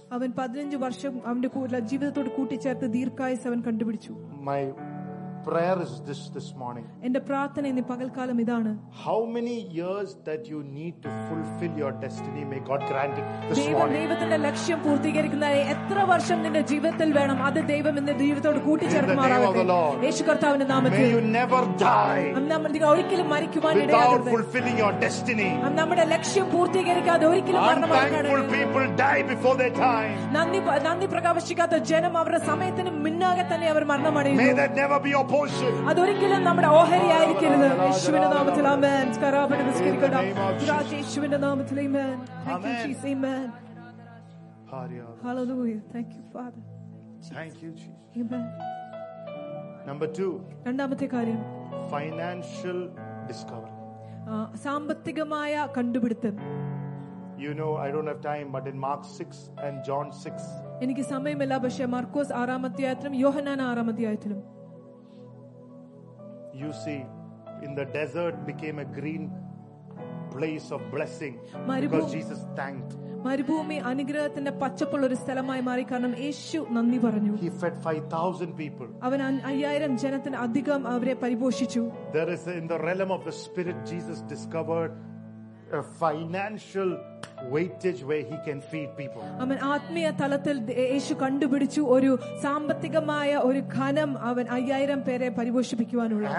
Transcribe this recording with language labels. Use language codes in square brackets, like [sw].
[ml] അവൻ 15 വർഷം അവന്റെ ജീവിതത്തോട് കൂട്ടിച്ചേർത്ത് ദീർഘായുസ് അവൻ കണ്ടുപിടിച്ചു. [en] My prayer is this morning. [ml] എന്റെ പ്രാർത്ഥന ഇന്ന് പകൽക്കാലം ഇതാണ്. [en] How many years that you need to fulfill your destiny, may God grant it this morning. [ml] ദൈവത്തിന്റെ ലക്ഷ്യം പൂർത്തീകരിക്കുന്നതിന് എത്ര വർഷം നിന്റെ ജീവിതത്തിൽ വേണം അത് ദൈവം നിന്റെ ജീവിതത്തോട് കൂട്ടിച്ചേർക്കുമാറാകട്ടെ. യേശു കർത്താവിന്റെ നാമത്തിൽ. [en] May you never die. [ml] നമ്മൾ ഒരിക്കലും മരിക്കുവാൻ ഇടയാകരുത്. [en] Without fulfilling your destiny. [ml] നമ്മുടെ ലക്ഷ്യം പൂർത്തീകരിക്കാതെ ഒരിക്കലും മരണമാകരുത്. [en] Unthankful people die before their time. [ml] നന്ദി പ്രകാശിക്കാത്ത ജനം അവരുടെ സമയത്തിന് മുന്നാകെ തന്നെ അവർ മരണമടയുന്നു. [en] May that never be your portion. [ml] അതൊരിക്കലും നമ്മുടെ ഓഹരി ആയിരിക്കരുത്. യേശുവിന്റെ നാമത്തിൽ ആമേൻ. കരാബനെ നമസ്കരിക്കട. യേശുവിന്റെ നാമത്തിൽ ആമേൻ. [en] Thank you Jesus. Amen. Hallelujah. Thank you Father. Thank you Jesus. Amen. Number 2. [ml] രണ്ടാമത്തെ കാര്യം. [en] Financial discovery. [ml] സാമ്പത്തികമായ കണ്ടുപിടുത്തം. [en] You know, I don't have time, but in Mark 6 and John 6. [ml] എനിക്ക് സമയമില്ല, പക്ഷേ മാർക്കോസ് 6ാം അധ്യായത്തിലും യോഹന്നാൻ 6ാം അധ്യായത്തിലും. [en] You see, in the desert became a green place of blessing because Jesus thanked. [ml] മരുഭൂമി അനുഗ്രഹത്തിന്റെ പച്ചപ്പുള്ള ഒരു സ്ഥലമായി മാറി, കാരണം യേശു നന്ദി പറഞ്ഞു. [en] He fed 5,000 people. [ml] അവൻ 5,000 ജനത്തിന് അധികം അവരെ പരിപോഷിച്ചു. [en] There is in the realm of the spirit Jesus discovered a financial weightage where he can feed people. [ml] അവൻ ആത്മീയ തലത്തിൽ യേശു കണ്ടുപിടിച്ചു ഒരു സാമ്പത്തികമായ ഒരു ഖനം അവൻ 5,000 പേരെ പരിപോഷിപ്പിക്കുവാനുള്ള.